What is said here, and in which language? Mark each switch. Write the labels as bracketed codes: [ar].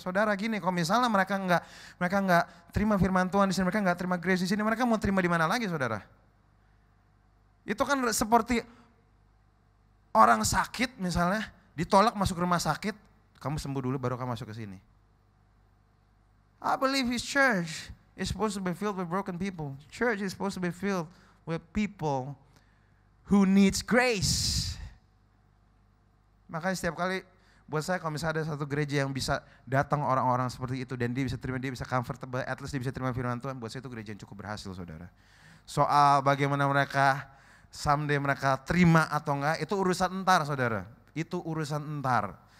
[id] Saudara gini, kalau misalnya mereka nggak terima firman Tuhan di sini, mereka nggak terima grace di sini, mereka mau terima di mana lagi, saudara? Itu kan seperti orang sakit misalnya ditolak masuk rumah sakit, kamu sembuh dulu baru kamu masuk ke sini. [en] I believe his church is supposed to be filled with broken people. Church is supposed to be filled with people who needs grace. [id] Makanya setiap kali buat saya, kalau misalnya ada satu gereja yang bisa datang orang-orang seperti itu dan dia bisa terima, dia bisa comfortable, [en] at least [id] dia bisa terima firman Tuhan, buat saya itu gereja yang cukup berhasil, saudara. Soal bagaimana mereka someday mereka terima atau enggak, itu urusan entar, saudara. Itu urusan entar.